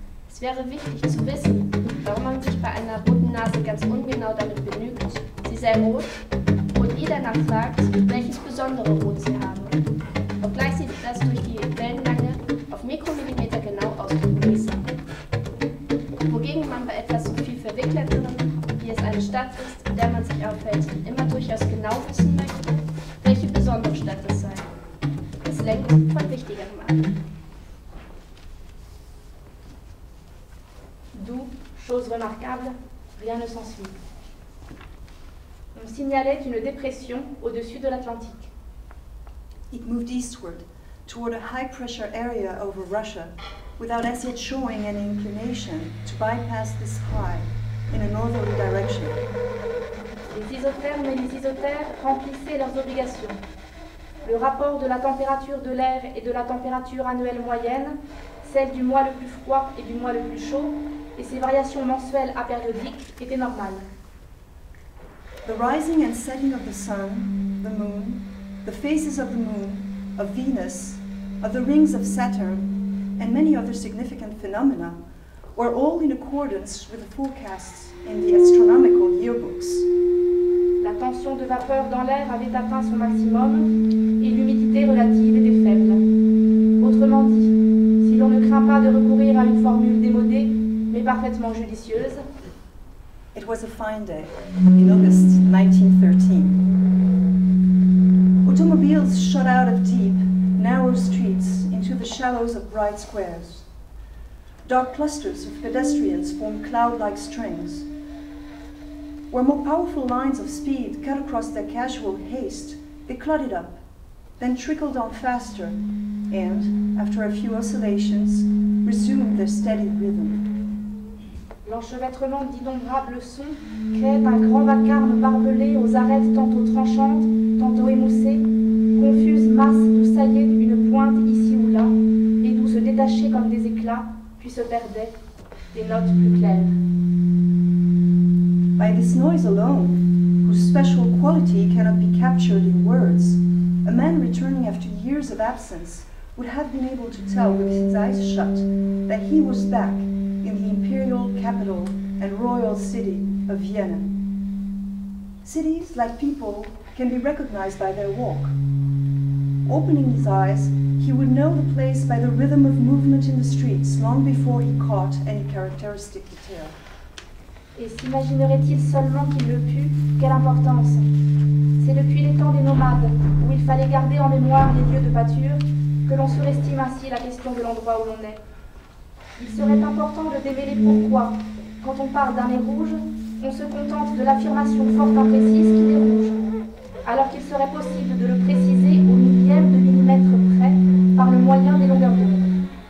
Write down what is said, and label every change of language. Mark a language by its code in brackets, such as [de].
[de] Es wäre wichtig zu wissen, warum man sich bei einer roten Nase ganz ungenau damit begnügt, sie sei rot, und ihr danach fragt, welches besondere Rot sie habe, obgleich sie das durch die Wellenlänge auf Mikromillimeter genau ausdrücken ließe. Wogegen man bei etwas so viel verwickelterem, wie es eine Stadt ist, in der man sich aufhält, immer durchaus genau wissen möchte, welche besondere Stadt es sei. Es lenkt von Wichtigerem ab. [fr] D'où, chose remarquable, rien ne s'ensuit. On signalait une dépression au-dessus de l'Atlantique. [en] It moved eastward, toward a high-pressure area over Russia, without as yet showing any inclination to bypass this high in a northerly direction. [fr] Les isothermes et les isotères remplissaient leurs obligations. Le rapport de la température de l'air et de la température annuelle moyenne, celle du mois le plus froid et du mois le plus chaud, et ces variations mensuelles apériodiques étaient normales. [en] The rising and setting of the sun, the moon, the phases of the moon, of Venus, of the rings of Saturn, and many other significant phenomena were all in accordance with the forecasts in the astronomical yearbooks. [fr] La tension de vapeur dans l'air avait atteint son maximum et l'humidité relative était faible. Autrement dit, si l'on ne craint pas de recourir à une formule démodée, mais parfaitement judicieuse. [en] It was a fine day in August 1913. Automobiles shot out of deep, narrow streets into the shallows of bright squares. Dark clusters of pedestrians formed cloud-like strings, where more powerful lines of speed cut across their casual haste, they clotted up, then trickled on faster, and, after a few oscillations, resumed their steady rhythm. [fr] L'enchevêtrement d'innombrables sons crée un grand vacarme barbelé aux arêtes tantôt tranchantes, tantôt émoussées, confuses masses d'où saillait une pointe ici ou là, et d'où se détachaient comme des éclats, puis se perdaient des notes plus claires. [en] By this noise alone, whose special quality cannot be captured in words, a man returning after years of absence would have been able to tell with his eyes shut that he was back in the imperial capital and royal city of Vienna. Cities, like people, can be recognized by their walk, opening his eyes, he would know the place by the rhythm of movement in the streets long before he caught any characteristic detail. [fr] Et s'imaginerait-il seulement qu'il le put? Quelle importance! C'est depuis les temps des nomades, où il fallait garder en mémoire les lieux de pâture, que l'on surestime ainsi la question de l'endroit où l'on est. Il serait important de démêler pourquoi, quand on parle d'un nez rouge, on se contente de l'affirmation forte et précise qu'il est rouge, alors qu'il serait possible de le préciser au millième de millimètre près par le moyen des longueurs d'onde.